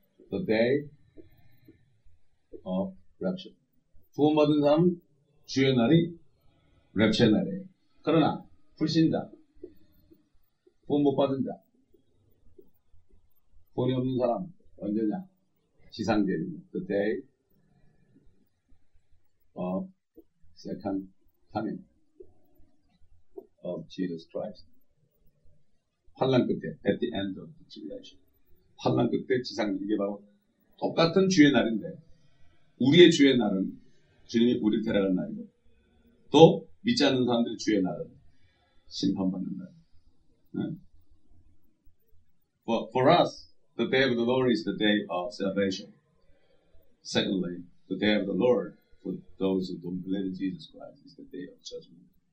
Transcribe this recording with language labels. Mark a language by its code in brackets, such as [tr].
[en] The day of rapture. [ko] 구원받은 사람, 주의 날이 rapture 날이에요. 그러나 불신자, 구원 못 받은 자, 구원이 없는 사람 언제냐? [en] 지상재림, the day of second coming of Jesus Christ. [ko] 환난 끝에, [en] at the end of the tribulation. [ko] 환난 끝에 지상재림, 이게 바로 똑같은 주의 날인데, 우리의 주의 날은 주님이 우리를 데려가는 날이고, 또 믿지 않는 사람들의 주의 날은 심판받는 날. 네. [en] For us, the day of the Lord is the day of salvation. Secondly, the day of the Lord for those who don't believe in Jesus Christ is the day of judgment.